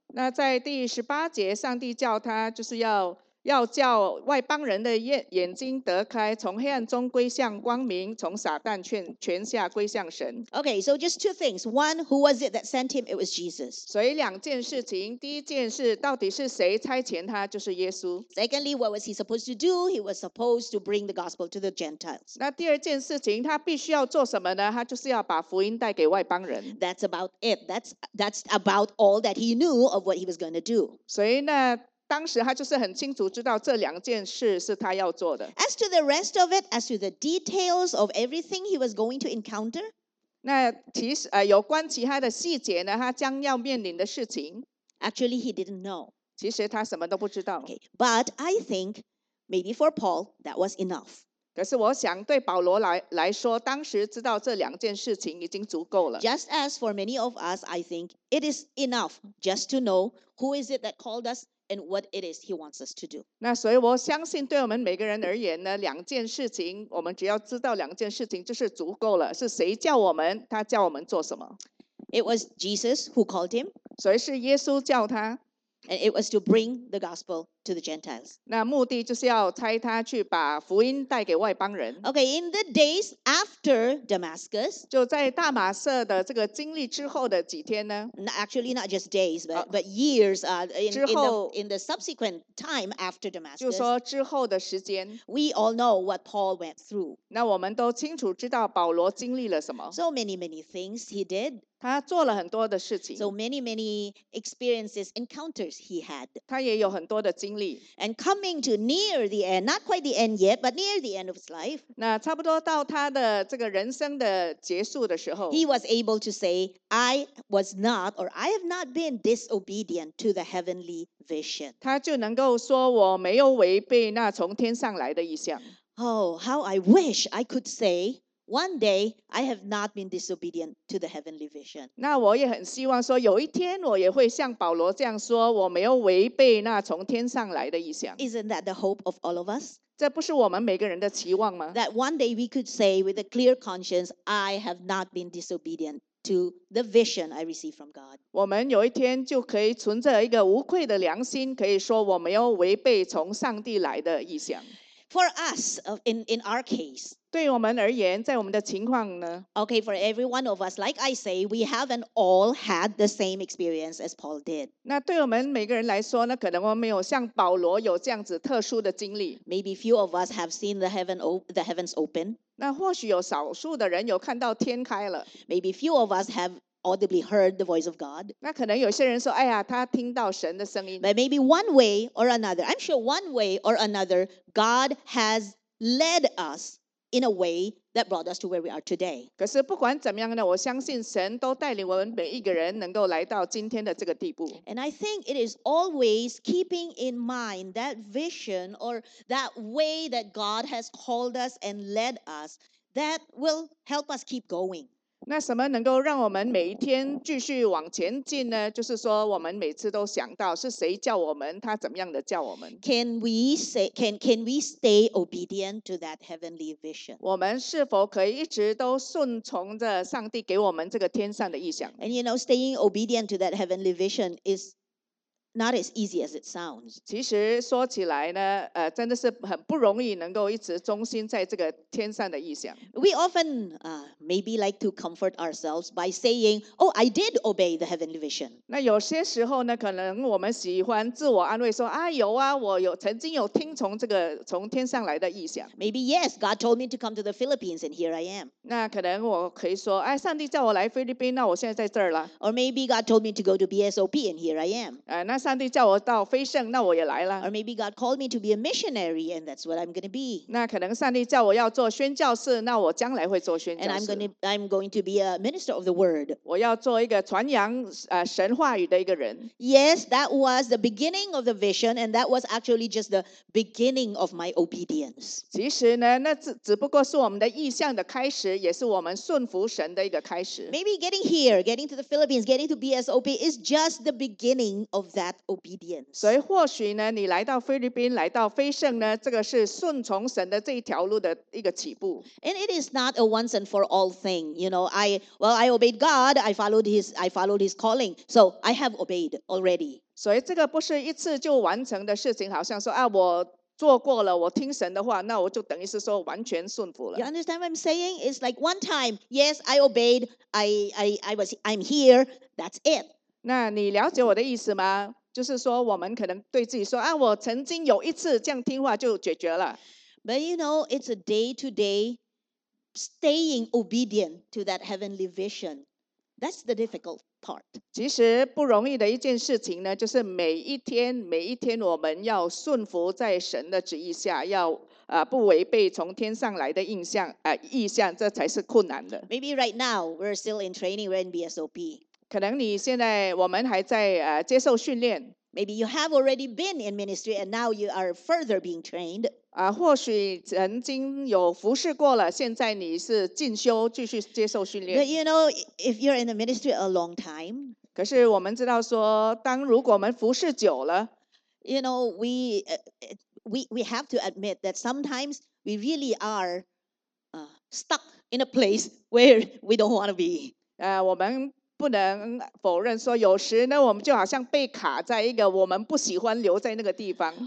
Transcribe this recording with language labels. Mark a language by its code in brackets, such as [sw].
[zh] 那在第十八节，上帝叫他就是要叫外邦人的眼睛得开，从黑暗中归向光明，从撒旦权下归向神。 [en] Okay, so just two things. One, who was it that sent him? It was Jesus. [zh] 所以两件事情，第一件事，到底是谁差遣他？就是耶稣。 [en] Secondly, what was he supposed to do? He was supposed to bring the gospel to the Gentiles. [zh] 那第二件事情，他必须要做什么呢？他就是要把福音带给外邦人。 [en] That's about it. That's about all that he knew of what he was going to do. [zh] 所以呢，当时他就是很清楚知道这两件事是他要做的。 [en] As to the rest of it, as to the details of everything he was going to encounter, [zh] 那其实有关其他的细节呢，他将要面临的事情， [en] actually he didn't know. [zh] 其实他什么都不知道。 [en] Okay, but I think maybe for Paul that was enough. [zh] 可是我想对保罗来说，当时知道这两件事情已经足够了。 [en] Just as for many of us, I think it is enough just to know who is it that called us. and what it is he wants us to do. [zh] 那所以我相信对我们每个人而言呢，两件事情，我们只要知道两件事情就是足够了，是谁叫我们，他叫我们做什么。 [en] It was Jesus who called him. [zh] 所以是耶稣叫他。 [en] And it was to bring the gospel to the Gentiles. [zh] 那目的就是要差他去把福音带给外邦人。 [en] Okay, in the days after Damascus, [zh] 就在大马色的这个经历之后的几天呢？ [en] Actually, not just days, but years. In the subsequent time after Damascus, [zh] 就说之后的时间。 [en] We all know what Paul went through. [zh] 那我们都清楚知道保罗经历了什么。 [en] So many, many things he did. [zh] 他做了很多的事情。 [en] So many, many experiences, encounters he had. [zh] 他也有很多的经历。 [en] And coming to near the end, not quite the end yet, but near the end of his life. [zh] 那差不多到他的这个人生的结束的时候。 [en] He was able to say, I was not, or I have not been disobedient to the heavenly vision. [zh] 他就能够说我没有违背那从天上来的意象。 [en] Oh, how I wish I could say,One day, I have not been disobedient to the heavenly vision. [zh] 那我也很希望说，有一天我也会像保罗这样说，我没有违背那从天上来的意象。 [en] Isn't that the hope of all of us? [zh] 这不是我们每个人的期望吗？ [en] That one day we could say with a clear conscience, I have not been disobedient to the vision I received from God. [zh] 我们有一天就可以存着一个无愧的良心，可以说我没有违背从上帝来的意象。 [en] For us, in our case, [zh] 对我们而言，在我们的情况呢 [en] ？Okay, for every one of us, like I say, we haven't all had the same experience as Paul did. [zh] 那对我们每个人来说呢，可能我们没有像保罗有这样子特殊的经历。 [en] Maybe few of us have seen the heavens open. [zh] 那或许有少数的人有看到天开了。 [en] Maybe few of us have. Audibly heard the voice of God. [zh] 那可能有些人说，哎呀，他听到神的声音。 [en] But maybe one way or another, I'm sure one way or another, God has led us in a way that brought us to where we are today. [zh] 可是不管怎么样呢，我相信神都带领我们每一个人能够来到今天的这个地步。 [en] And I think it is always keeping in mind that vision or that way that God has called us and led us that will help us keep going. [zh] 那什么能够让我们每一天继续往前进呢？就是说，我们每次都想到是谁叫我们，他怎么样的叫我们。 [en] Can we say, can we stay obedient to that heavenly vision? [zh] 我们是否可以一直都顺从着上帝给我们这个天上的意象 [en] ？And you know, staying obedient to that heavenly vision is not as easy as it sounds. [zh] 其实说起来呢，真的是很不容易能够一直忠心在这个天上的意象。 [en] We often, maybe like to comfort ourselves by saying, "Oh, I did obey the heavenly vision." [zh] 那有些时候呢，可能我们喜欢自我安慰说，啊，有啊，我有曾经有听从这个从天上来的意象。 [en] Maybe yes, God told me to come to the Philippines, and here I am. [zh] 那可能我可以说，哎，上帝叫我来菲律宾，那我现在在这儿了。 [en] Or maybe God told me to go to BSOP, and here I am. [zh] 那上帝叫我到飞圣，那我也来了。 [en] Or maybe God called me to be a missionary, and that's what I'm going to be. [zh] 那可能上帝叫我要做宣教士，那我将来会做宣教士。 [en] And I'm going to be a minister of the word. [zh] 我要做一个传扬神话语的一个人。 [en] Yes, that was the beginning of the vision, and that was actually just the beginning of my obedience. [zh] 其实呢，那只不过是我们的意向的开始，也是我们顺服神的一个开始。 [en] Maybe getting here, getting to the Philippines, getting to BSOP is just the beginning of that obedience. [zh] 所以或许呢，你来到菲律宾，来到飞圣呢，这个是顺从神的这一条路的一个起步。 [en] And it is not a once and for all thing, you know. I obeyed God. I followed His calling. So I have obeyed already. [zh] 所以这个不是一次就完成的事情，好像说啊，我做过了，我听神的话，那我就等于是说完全顺服了。 [en] You understand what I'm saying? It's like one time. Yes, I obeyed. I'm here. That's it. [zh] 那你了解我的意思吗？就是说，我们可能对自己说，啊，我曾经有一次这样听话就解决了。 [en] But you know, it's a day-to-day staying obedient to that heavenly vision. That's the difficult part. [zh] 其实不容易的一件事情呢，就是每一天，每一天我们要顺服在神的旨意下，要不违背从天上来的意象，这才是困难的。 [en] Maybe right now, we're still in training, we're in BSOP. [zh] 可能你现在我们还在接受训练。 [en] Maybe you have already been in ministry and now you are further being trained. [zh] 或许曾经有服侍过了，现在你是进修，继续接受训练。 [en] But you know, if you're in the ministry a long time, [zh] 可是我们知道说，当如果我们服侍久了。 [en] you know, we have to admit that sometimes we really are stuck in a place where we don't want to be. [zh] 我们不能否认说，有时呢，我们就好像被卡在一个我们不喜欢留在那个地方。